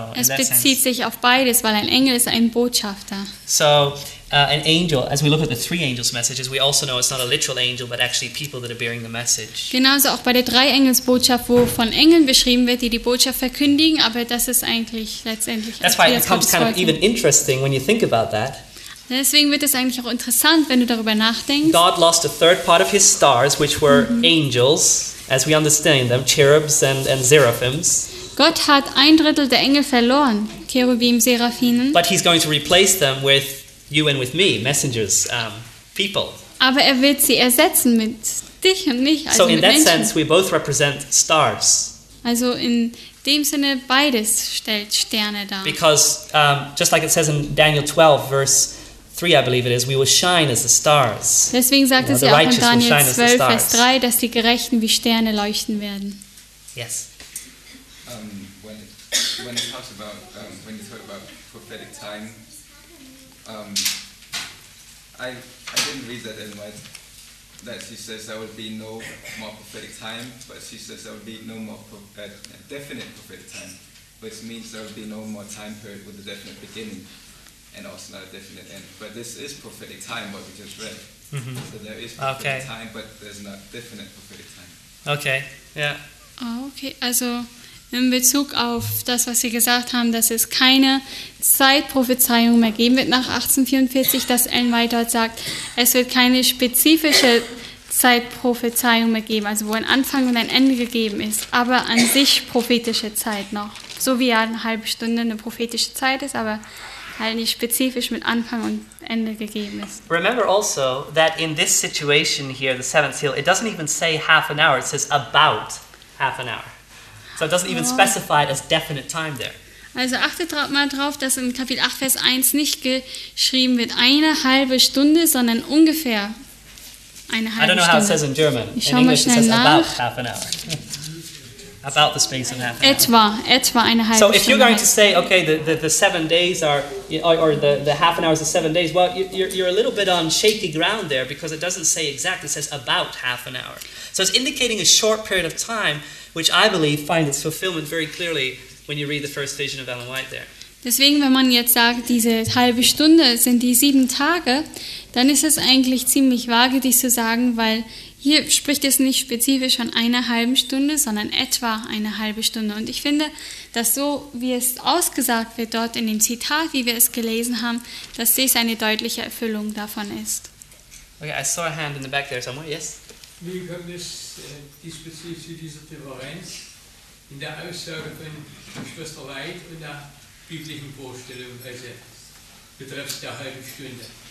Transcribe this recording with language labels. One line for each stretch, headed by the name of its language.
German: es bezieht sich auf beides, weil ein Engel ist ein Botschafter.
English: So, an angel, as we look at the three angels' messages, we also know it's not a literal angel, but actually people that are bearing the message.
German: Genauso auch bei der Drei-Engels-Botschaft, wo von Engeln beschrieben wird, die die Botschaft verkündigen, aber das ist eigentlich letztendlich...
English: That's why it becomes kind of even interesting when you think about that.
German: Deswegen wird es eigentlich auch interessant, wenn du darüber nachdenkst.
English: God lost a third part of his stars, which were angels, as we understand them, cherubs and seraphims.
German: Gott hat ein Drittel der Engel verloren, Cherubim, Seraphinen.
English: But he's going to replace them with you and with me, messengers, people.
German: Aber er wird sie ersetzen mit dich und mich, also mit Menschen.
English: So in that sense, we both represent stars.
German: Also in dem Sinne, beides stellt Sterne dar.
English: Because, just like it says in Daniel 12, verse 3, I believe it is, we will shine as the stars.
German: Deswegen sagt es ja auch in Daniel 12, Vers 3, dass die Gerechten wie Sterne leuchten werden.
English: Yes. When you talk about prophetic time, I didn't read that in my, that she says there will be no more prophetic time, but she says there will be no more definite prophetic time, which means there will be no more time period with a definite beginning and also not a definite end. But this is prophetic time, what we just read. Mm-hmm. So there is prophetic time, but there's not definite prophetic time. Okay, yeah. Oh, okay, also...
German: In Bezug auf das, was Sie gesagt haben, dass es keine Zeitprophezeiung mehr geben wird nach 1844, dass Ellen White dort sagt, es wird keine spezifische Zeitprophezeiung mehr geben, also wo ein Anfang und ein Ende gegeben ist, aber an sich prophetische Zeit noch. So wie ja eine halbe Stunde eine prophetische Zeit ist, aber halt nicht spezifisch mit Anfang und Ende gegeben ist.
English: Remember also that in this situation here, the seventh seal, it doesn't even say half an hour, it says about half an hour. So it doesn't even specify it as definite time there.
German: Also achtet mal drauf, dass in Kapitel 8, Vers 1 nicht geschrieben wird eine halbe Stunde, sondern ungefähr eine halbe Stunde.
English: I don't know how it says in German.
German: Ich schaue mal schnell nach.
English: It says about half an hour. About the space in half an hour.
German: Etwa eine halbe Stunde.
English: So if you're going to say, okay, the 7 days are, or the half an hour is the 7 days, well, you're a little bit on shaky ground there because it doesn't say exact, it says about half an hour. So it's indicating a short period of time, which I believe finds its fulfillment very clearly when you read the first vision of Ellen White there.
German: Deswegen, wenn man jetzt sagt, diese halbe Stunde sind die sieben Tage, dann ist es eigentlich ziemlich vage, dies zu sagen, weil hier spricht es nicht spezifisch von einer halben Stunde, sondern etwa eine halbe Stunde. Und ich finde, dass so, wie es ausgesagt wird dort in dem Zitat, wie wir es gelesen haben, dass dies eine deutliche Erfüllung davon ist.
English: Okay, I saw a hand in the back there somewhere, yes?
German: Wie kommt es diesbezüglich zu dieser Differenz in der Aussage von Schwester Weid und der biblischen Vorstellung, also betreffs der halben Stunde?